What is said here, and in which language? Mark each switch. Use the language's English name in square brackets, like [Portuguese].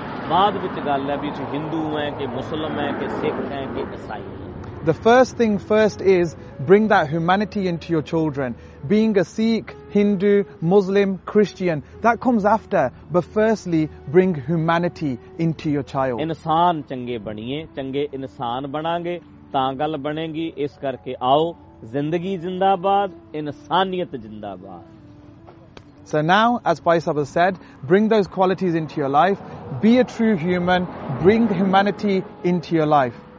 [Punjabi] ਬਾਅਦ ਵਿੱਚ ਗੱਲ ਹੈ ਵੀ ਤੁਸੀਂ ਹਿੰਦੂ ਹੈ ਕਿ ਮੁਸਲਮ ਹੈ ਕਿ ਸਿੱਖ ਹੈ ਕਿ ਈਸਾਈ ਹੈ. [English] The first thing first is bring that humanity into your children. Being a Sikh, Hindu, Muslim, Christian, that comes after. But firstly, bring humanity into your child. [Punjabi] ਇਨਸਾਨ ਚੰਗੇ ਬਣੀਏ, ਚੰਗੇ ਇਨਸਾਨ ਬਣਾਂਗੇ ਤਾਂ ਗੱਲ ਬਣੇਗੀ. ਇਸ ਕਰਕੇ ਆਓ, ਜ਼ਿੰਦਗੀ ਜ਼ਿੰਦਾਬਾਦ, ਇਨਸਾਨੀਅਤ ਜ਼ਿੰਦਾਬਾਦ. [English] So now, as Pai Sahib has said, bring those qualities into your life. Be a true human. Bring humanity into your life.